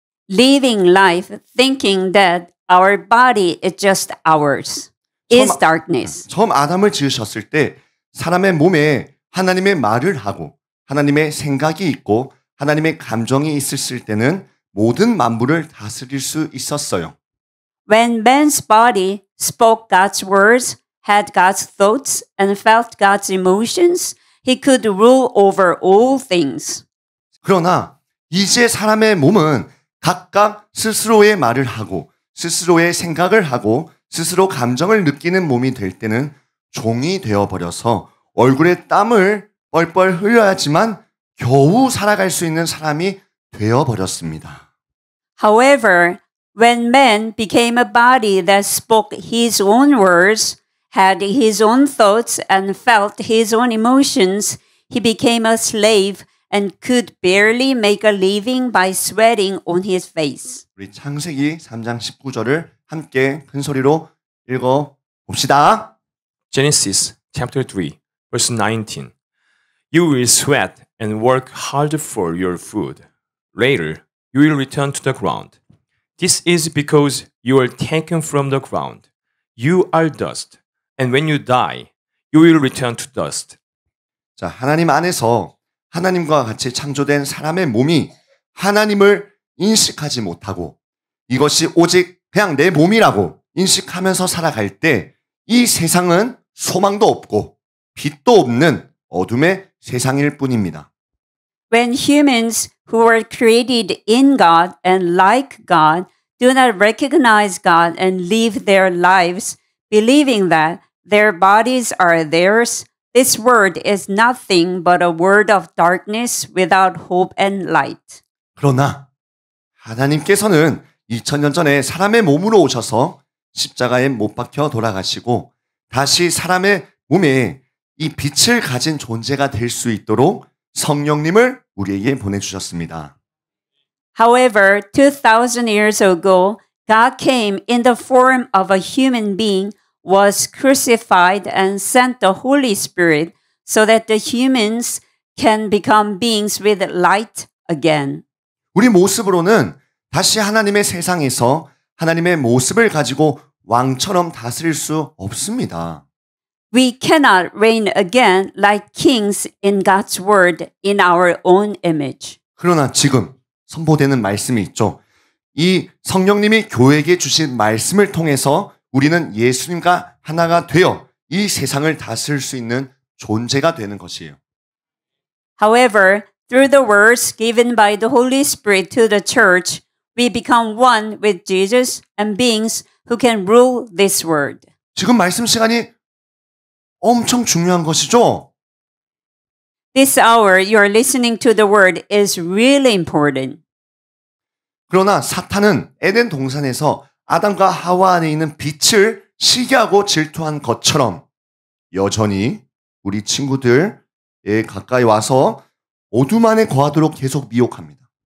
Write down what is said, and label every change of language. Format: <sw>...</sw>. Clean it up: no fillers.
<en>Living life thinking that our body is just ours is darkness.</en> <ko>처음 아담을 지으셨을 때 사람의 몸에 하나님의 말을 하고 하나님의 생각이 있고 하나님의 감정이 있었을 때는 모든 만물을 다스릴 수 있었어요.</ko> <en>When man's body spoke God's words, had God's thoughts, and felt God's emotions, he could rule over all things.</en> <ko>그러나 이제 사람의 몸은 각각 스스로의 말을 하고 스스로의 생각을 하고 스스로 감정을 느끼는 몸이 될 때는 종이 되어버려서 얼굴에 땀을 뻘뻘 흘려야지만 겨우 살아갈 수 있는 사람이 되어버렸습니다.</ko> <en>However, when man became a body that spoke his own words, had his own thoughts, and felt his own emotions, he became a slave and could barely make a living by sweating on his face.</en> <ko>우리 창세기 3장 19절을 함께 큰 소리로 읽어봅시다.</ko> <en>Genesis chapter 3. Verse 19, you will sweat and work hard for your food. Later, you will return to the ground. This is because you are taken from the ground. You are dust, and when you die, you will return to dust.</en> <ko>자, 하나님 안에서 하나님과 같이 창조된 사람의 몸이 하나님을 인식하지 못하고 이것이 오직 그냥 내 몸이라고 인식하면서 살아갈 때 이 세상은 소망도 없고 빛도 없는 어둠의 세상일 뿐입니다.</ko> <en>When humans who were created in God and like God do not recognize God and live their lives believing that their bodies are theirs, this world is nothing but a world of darkness without hope and light.</en> <ko>그러나 하나님께서는 2000년 전에 사람의 몸으로 오셔서 십자가에 못 박혀 돌아가시고 다시 사람의 몸에 이 빛을 가진 존재가 될 수 있도록 성령님을 우리에게 보내주셨습니다.</ko> <en>However, 2,000 years ago, God came in the form of a human being, was crucified, and sent the Holy Spirit so that the humans can become beings with light again.</en> <ko>우리 모습으로는 다시 하나님의 세상에서 하나님의 모습을 가지고 왕처럼 다스릴 수 없습니다.</ko> <en>We cannot reign again like kings in God's word in our own image.</en> <ko>그러나 지금 선포되는 말씀이 있죠. 이 성령님이 교회에게 주신 말씀을 통해서 우리는 예수님과 하나가 되어 이 세상을 다스릴 수 있는 존재가 되는 것이에요.</ko> <en>However, through the words given by the Holy Spirit to the church, we become one with Jesus and beings who can rule this world.</en> <ko>지금 말씀 시간이 엄청 중요한 것이죠?</ko> <en>This hour you are listening to the word is really important.</en> <ko>그러나 사탄은 에덴 동산에서 아담과 하와 안에 있는 빛을 시기하고 질투한 것처럼 여전히 우리 친구들에 가까이 와서 어둠 안에 거하도록 계속 미혹합니다.</ko>